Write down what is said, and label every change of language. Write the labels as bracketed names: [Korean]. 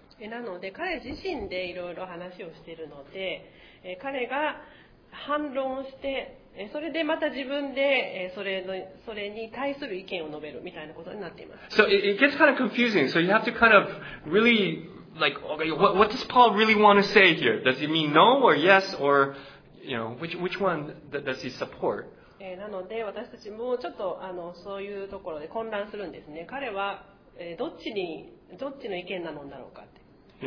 [Japanese] なので彼自身でいろいろ話をしているので、彼が反論をして、それでまた自分で、それに対する意見を述べるみたいなことになっています。 [English] So it gets kind of confusing. So you have to kind of really like, okay, what does Paul really want to say here? Does he mean no or yes or, you know, which one does he support? [Japanese] なので私たちもちょっとそういうところで混乱するんですね。彼はどっちの意見なのだろうかって。